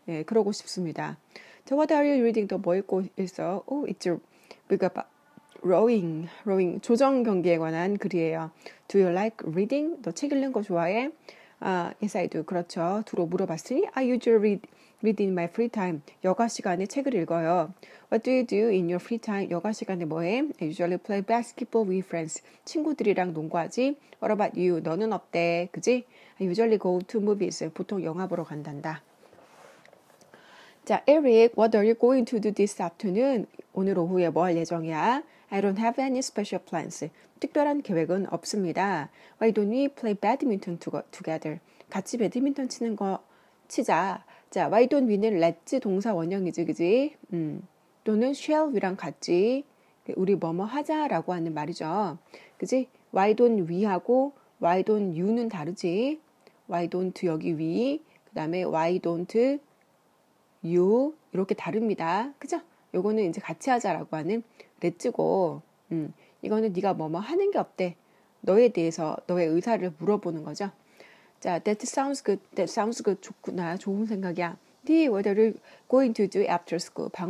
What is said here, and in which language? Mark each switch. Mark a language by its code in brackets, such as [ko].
[ko] 네, 그러고 싶습니다. [en] So what are you reading? [ko] 너 뭐 읽고 있어? [en] Oh, it's your book about rowing. [ko] 조정 경기에 관한 글이에요. [en] Do you like reading? [ko] 너 책 읽는 거 좋아해? [en] Yes, I do. [ko] 그렇죠. 두로 물어봤으니 [en] I usually read in my free time. [ko] 여가 시간에 책을 읽어요. [en] What do you do in your free time? [ko] 여가 시간에 뭐해? [en] I usually play basketball with friends. [ko] 친구들이랑 농구하지. [en] What about you? [ko] 너는 어때? 그지? [en] I usually go to movies. [ko] 보통 영화 보러 간단다. [en] 자, Eric, what are you going to do this afternoon? [ko] 오늘 오후에 뭐 할 예정이야? [en] I don't have any special plans. [ko] 특별한 계획은 없습니다. [en] Why don't we play badminton together? [ko] 같이 배드민턴 치는 거 치자. 자, why don't we는 let's 동사 원형이지, 그지? 또는 shall we랑 같이 우리 뭐뭐 하자라고 하는 말이죠. 그지? Why don't we하고 why don't you는 다르지? Why don't 여기 we, 그 다음에 why don't you 이렇게 다릅니다. 그죠? 요거는 이제 같이 하자라고 하는 렛츠고, 이거는 네가 뭐뭐 하는 게 어때? 너에 대해서 너의 의사를 물어보는 거죠. [en] 자, that sounds good. That sounds good. [ko] 좋구나. 좋은 생각이야. [en] D, what are you going to do after school?